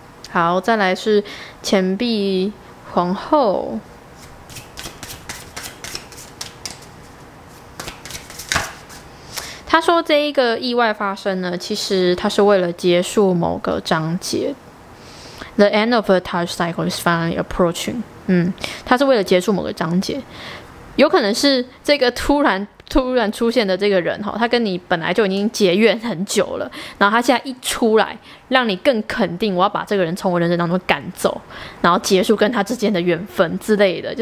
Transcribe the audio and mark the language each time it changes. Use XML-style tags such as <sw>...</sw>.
<zh>好，再来是钱币皇后，他说这一个意外发生呢，其实他是为了结束某个章节。</zh> <en>The end of a touch cycle is finally approaching。</en> <zh>他是为了结束某个章节，有可能是这个突然出现的这个人，他跟你本来就已经结怨很久了，然后他现在一出来让你更肯定我要把这个人从我人生当中赶走，然后结束跟他之间的缘分之类的。</zh>